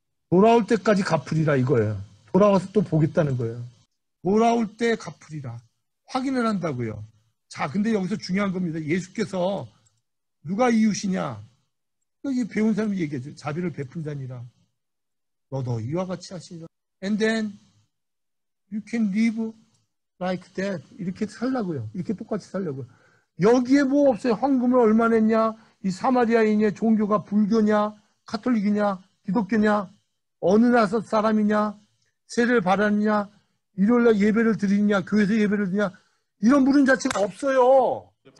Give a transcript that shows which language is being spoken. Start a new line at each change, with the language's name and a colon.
Korean: 돌아올 때까지 갚으리라 이거예요. 돌아와서 또 보겠다는 거예요. 돌아올 때 갚으리라. 확인을 한다고요. 자, 근데 여기서 중요한 겁니다. 예수께서 누가 이웃이냐? 이 배운 사람이 얘기해줘. 자비를 베푼 자니라. 너도 이와 같이 하시라.
English: And then you can live like that.
Korean: 이렇게 살라고요. 이렇게 똑같이 살려고요. 여기에 뭐 없어요. 황금을 얼마 냈냐? 이 사마리아인의 종교가 불교냐? 카톨릭이냐? 기독교냐? 어느 나라 사람이냐? 세례를 받았냐? 일요일날 예배를 드리냐? 교회에서 예배를 드리냐? 이런 물음 자체가 없어요.